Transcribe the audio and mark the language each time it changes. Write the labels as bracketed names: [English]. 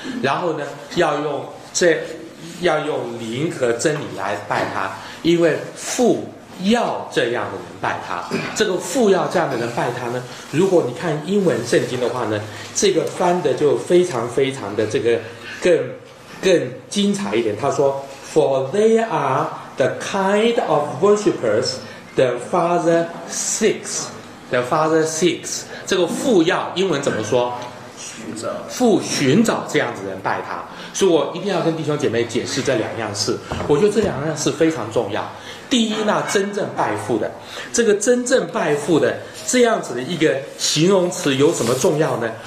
[Chinese] 然后呢，要用灵和真理来拜他，因为父要这样的人拜他。这个父要这样的人拜他呢，如果你看英文圣经的话呢，这个翻的就非常非常的这个更精彩一点。他说 [English] For they are the kind of worshippers the Father seeks. The Father seeks. [Chinese] 这个父要英文怎么说？父寻找这样子的人拜他。所以我一定要跟弟兄姐妹解释这两样事，我觉得这两样事非常重要。第一，那真正拜父的，这个真正拜父的这样子的一个形容词有什么重要呢？